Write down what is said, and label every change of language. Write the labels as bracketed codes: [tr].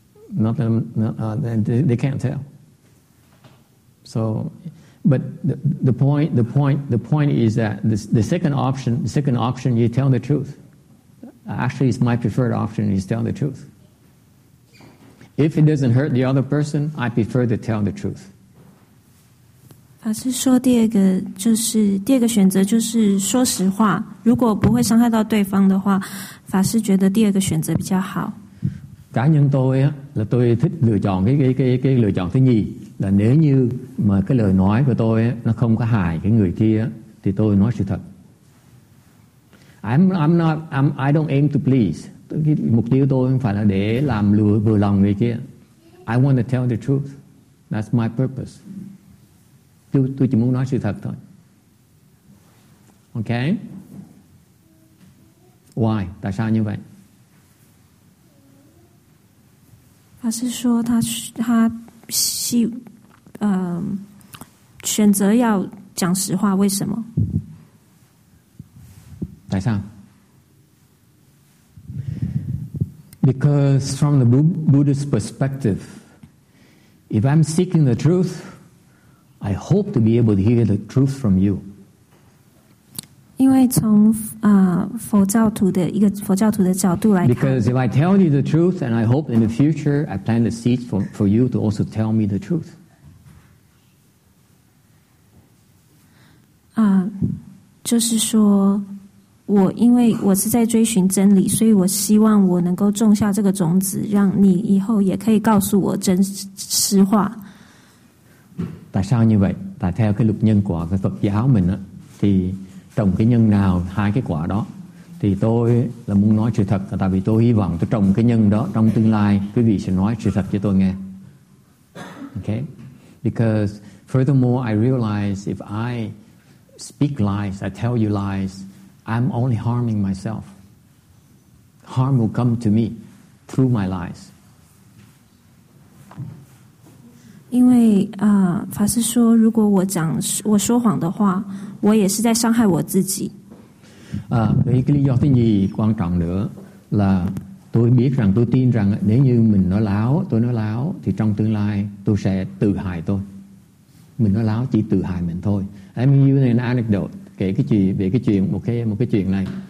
[en] They can't tell. So, but the point is that the second option, you tell the truth. Actually, it's my preferred option. You tell the truth. If it doesn't hurt the other person, I prefer to tell the truth. [zh] 法师说，第二个选择就是说实话。如果不会伤害到对方的话，法师觉得第二个选择比较好。 [vi] Cá nhân tôi là tôi thích lựa chọn cái lựa chọn thứ nhì, là nếu như mà cái lời nói của tôi nó không có hại cái người kia thì tôi nói sự thật. [en] I don't aim to please. [vi] Mục tiêu tôi không phải là để làm lừa vừa lòng người kia. [en] I want to tell the truth. That's my purpose. [vi] Tôi chỉ muốn nói sự thật thôi. [en] Okay? Why? [vi] Tại sao như vậy? [zh] 他是说他希选择要讲实话，为什么？为什么？ [en] Because from the Buddhist perspective, if I'm seeking the truth, I hope to be able to hear the truth from you. [zh] 因为从佛教徒的一个佛教徒的角度来看， [en] Because if I tell you the truth, and I hope in the future I plant the seed for you to also tell me the truth. [zh] 就是说，我因为我是在追寻真理，所以我希望我能够种下这个种子，让你以后也可以告诉我真实话。 [vi] Tại sao như vậy? Tại theo cái luật nhân quả của Phật giáo mình á, thì trồng cái nhân nào hai cái quả đó, thì tôi là muốn nói sự thật, tại vì tôi hy vọng tôi trồng cái nhân đó trong tương lai quý vị sẽ nói sự thật cho tôi nghe. [en] Okay, because furthermore I realize if I speak lies, I tell you lies, I'm only harming myself. Harm will come to me through my lies. [zh] 因为法师说，如果我说谎的话，我也是在伤害我自己。 [vi] À, vì cái lý do thứ nhì quan trọng nữa là tôi biết rằng, tôi tin rằng nếu như mình nói láo, tôi nói láo thì trong tương lai tôi sẽ tự hại tôi. Mình nói láo chỉ tự hại mình thôi. [en] Let me use an anecdote, [vi] kể cái chuyện về cái chuyện một cái chuyện này.